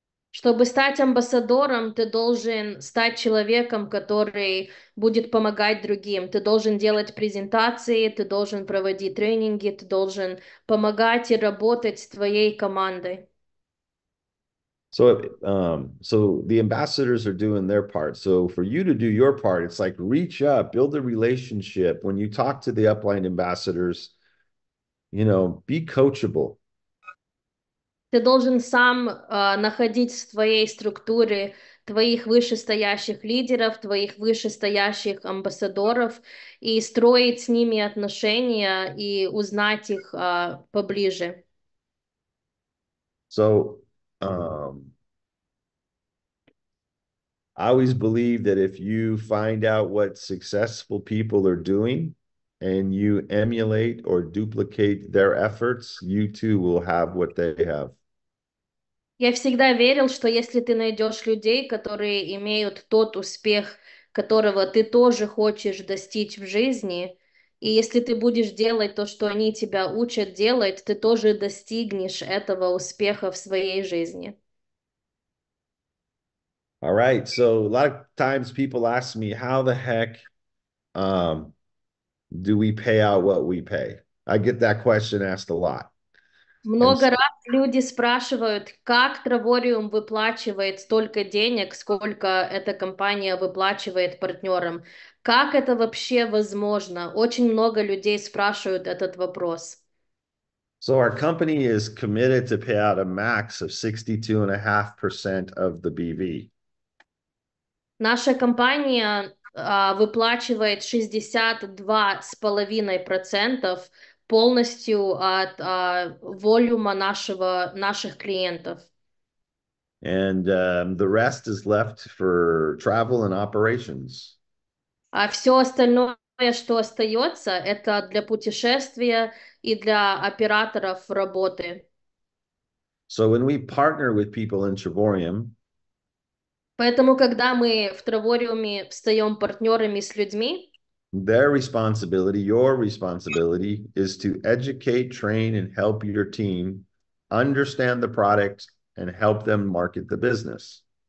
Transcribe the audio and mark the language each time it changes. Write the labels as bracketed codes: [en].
[ru] Чтобы стать амбассадором, ты должен стать человеком, который будет помогать другим. Ты должен делать презентации, ты должен проводить тренинги, ты должен помогать и работать с твоей командой. [en] So the ambassadors are doing their part. So for you to do your part, it's like reach up, build a relationship. When you talk to the upline ambassadors, you know, be coachable. [ru] Ты должен сам находить в своей структуре твоих вышестоящих лидеров, твоих вышестоящих амбассадоров и строить с ними отношения и узнать их поближе. [en] So, I always believe that if you find out what successful people are doing and you emulate or duplicate their efforts, you too will have what they have. [ru] Я всегда верил, что если ты найдешь людей, которые имеют тот успех, которого ты тоже хочешь достичь в жизни, и если ты будешь делать то, что они тебя учат делать, ты тоже достигнешь этого успеха в своей жизни. [en] All right, so a lot of times people ask me, how the heck do we pay out what we pay? I get that question asked a lot. [ru] Много раз люди спрашивают, как Траворium выплачивает столько денег, сколько эта компания выплачивает партнерам. Как это вообще возможно? Очень много людей спрашивают этот вопрос. [en] So our company is committed to pay out a max of 62.5% of the BV. [ru] Наша компания выплачивает 62,5% полностью от волюма наших клиентов. [en] And the rest is left for travel and operations. [ru] А все остальное, что остается, это для путешествия и для операторов работы. [en] So when we partner with people in Trevorium, [ru] Поэтому, когда мы в Травориуме встаем партнерами с людьми, [en] their responsibility, your responsibility, is to educate, train, and help your team understand the product and help them market the business.